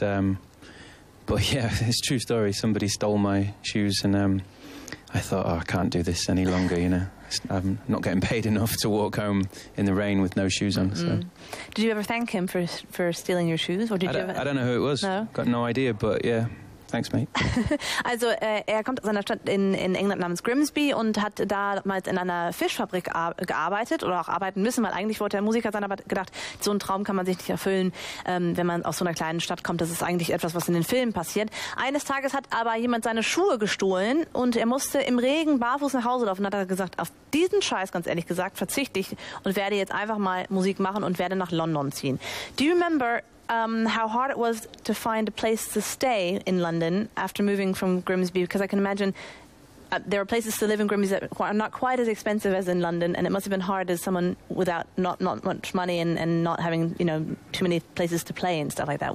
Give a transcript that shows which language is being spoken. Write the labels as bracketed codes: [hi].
[en] But yeah, it's a true story. Somebody stole my shoes and I thought, oh, I can't do this any longer, you know. I'm not getting paid enough to walk home in the rain with no shoes on. So. Did you ever thank him for stealing your shoes? Or I don't know who it was. No? Got no idea, but yeah, thanks, mate. [de] Also, kommt aus einer Stadt in England namens Grimsby und hat damals in einer Fischfabrik gearbeitet oder auch arbeiten müssen, weil eigentlich wollte er Musiker sein, aber gedacht, so einen Traum kann man sich nicht erfüllen, wenn man aus so einer kleinen Stadt kommt. Das ist eigentlich etwas, was in den Filmen passiert. Eines Tages hat aber jemand seine Schuhe gestohlen und er musste im Regen barfuß nach Hause laufen. Und hat er gesagt, auf diesen Scheiß, ganz ehrlich gesagt, verzichte ich und werde jetzt einfach mal Musik machen und werde nach London ziehen. [en] Do you remember how hard it was to find a place to stay in London after moving from Grimsby? Because I can imagine there are places to live in Grimsby that are not quite as expensive as in London, and it must have been hard as someone without not much money and not having, you know, too many places to play and stuff like that.